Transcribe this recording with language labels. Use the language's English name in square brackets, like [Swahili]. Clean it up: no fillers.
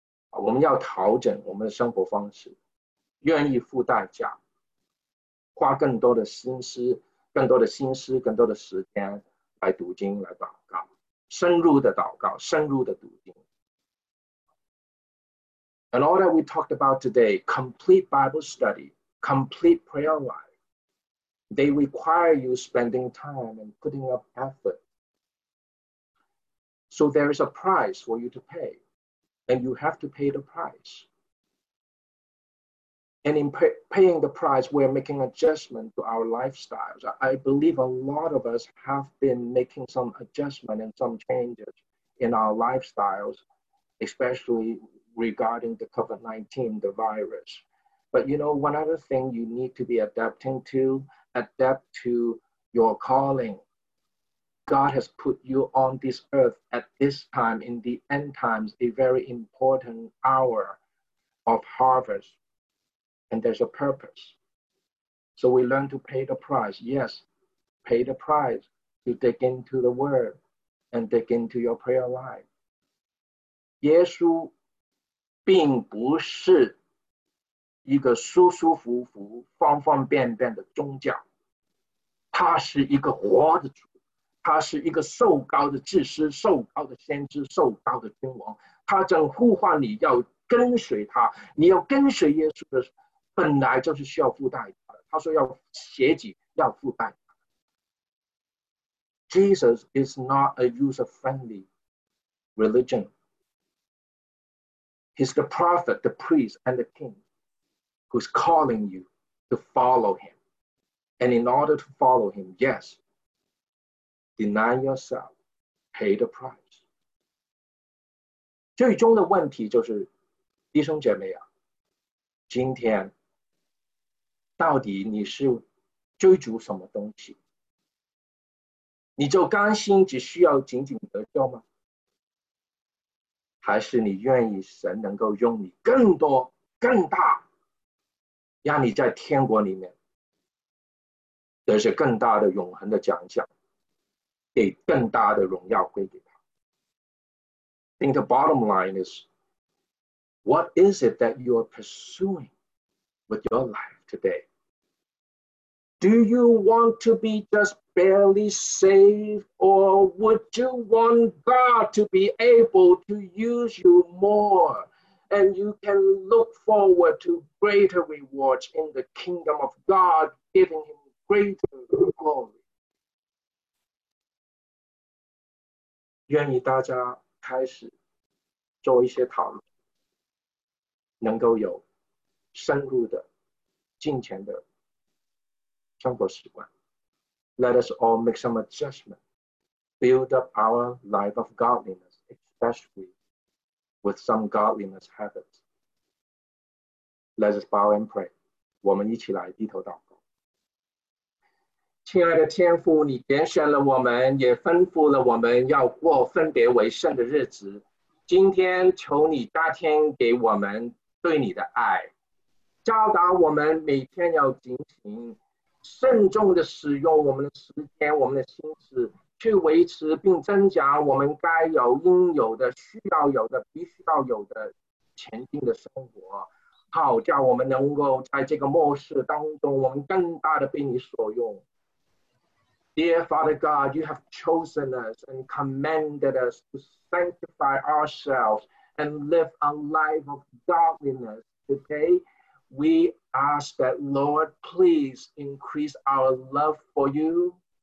[Chinese] 我们要调整我们的生活方式，愿意付代价，花更多的心思，更多的心思，更多的时间来读经，来祷告，深入的祷告，深入的读经。 [English] And all that we talked about today, complete Bible study, complete prayer life, they require you spending time and putting up effort. So there is a price for you to pay, and you have to pay the price. And in paying the price, we're making adjustment to our lifestyles. I believe a lot of us have been making some adjustment and some changes in our lifestyles, especially regarding the COVID-19, the virus. But you know, one other thing you need to be adapting to, adapt to your calling. God has put you on this earth at this time, in the end times, a very important hour of harvest. And there's a purpose. So we learn to pay the price. Yes, pay the price to dig into the word and dig into your prayer life. [Chinese] 耶稣并不是一个舒舒服服方方便便的宗教，他是一个活的主，他是一个受高的祭司，受高的先知，受高的君王，他正呼唤你要跟随他。你要跟随耶稣的本来就是需要付代价的，他说要舍己，要付代价。 [English] Jesus is not a user-friendly religion. He's the prophet, the priest, and the king who's calling you to follow him. And in order to follow him, yes, deny yourself, pay the price. [Chinese] 最终的问题就是，弟兄姐妹啊，今天到底你是追逐什么东西？你就甘心只需要仅仅得救吗？还是你愿意神能够用你更多更大，让你在天国里面得着更大的永恒的奖项，给更大的荣耀归给他？ [English] I think the bottom line is, what is it that you are pursuing with your life today? Do you want to be just barely saved, or would you want God to be able to use you more and you can look forward to greater rewards in the kingdom of God, giving him greater glory? [Chinese] 愿意大家开始做一些讨论，能够有深入的金钱的生活习惯。 [English] Let us all make some adjustment, build up our life of godliness, especially with some godliness habits. Let us bow and pray. [Chinese] 我们一起来低头祷告。亲爱的天父，你拣选了我们，也吩咐了我们要过分别为圣的日子。今天求你加添给我们对你的爱，教导我们每天要警醒，慎重地使用我们的时间，我们的心思，去维持并增加我们该有应有的、需要有的、必须要有的前进的生活，好叫我们能够在这个末世当中，我们更大的被你所用。 [English] Dear Father God, you have chosen us and commanded us to sanctify ourselves and live a life of godliness today. We ask that, Lord, please increase our love for you,